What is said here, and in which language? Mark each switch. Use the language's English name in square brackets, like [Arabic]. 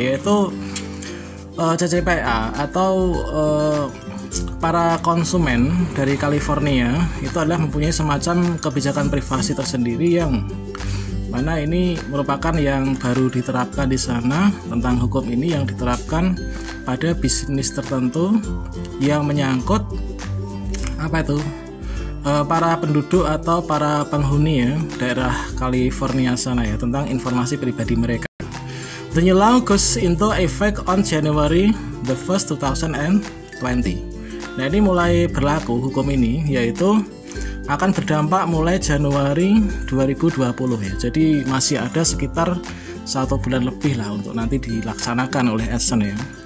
[Indonesian] Yaitu CCPA atau para konsumen dari California itu adalah mempunyai semacam kebijakan privasi tersendiri, yang mana ini merupakan yang baru diterapkan di sana, tentang hukum ini yang diterapkan pada bisnis tertentu yang menyangkut apa itu para penduduk atau para penghuni ya, daerah California sana ya, tentang informasi pribadi mereka. [English] The new law goes into effect on January the 1st, 2020. [Indonesian] Nah, ini mulai berlaku hukum ini, yaitu akan berdampak mulai Januari 2020 ya. Jadi masih ada sekitar 1 bulan lebih lah untuk nanti dilaksanakan oleh AdSense ya.